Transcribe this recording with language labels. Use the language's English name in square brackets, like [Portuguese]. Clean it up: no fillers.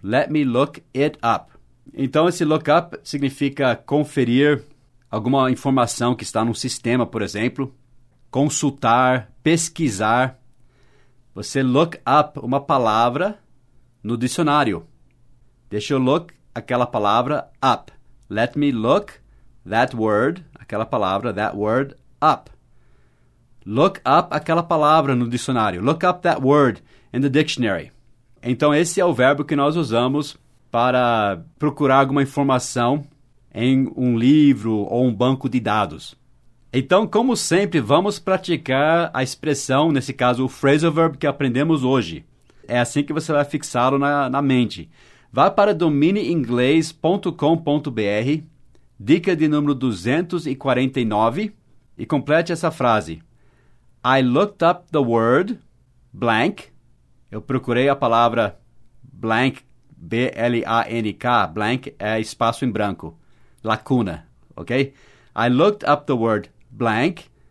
[English] Let me look it up. [Portuguese] Então, esse look up significa conferir alguma informação que está no sistema, por exemplo. Consultar, pesquisar. Você look up uma palavra no dicionário. Deixa eu look aquela palavra up. [English] Let me look that word, [Portuguese] aquela palavra, [English] that word, up. [Portuguese] Look up aquela palavra no dicionário. [English] Look up that word in the dictionary. [Portuguese] Então, esse é o verbo que nós usamos para procurar alguma informação em um livro ou um banco de dados. Então, como sempre, vamos praticar a expressão, nesse caso, o phrasal verb que aprendemos hoje. É assim que você vai fixá-lo na mente. Vá para dominiinglês.com.br, dica de número 249, e complete essa frase. [English] I looked up the word blank. [Portuguese] Eu procurei a palavra blank, B-L-A-N-K. Blank é espaço em branco, lacuna, ok? [English] I looked up the word blank.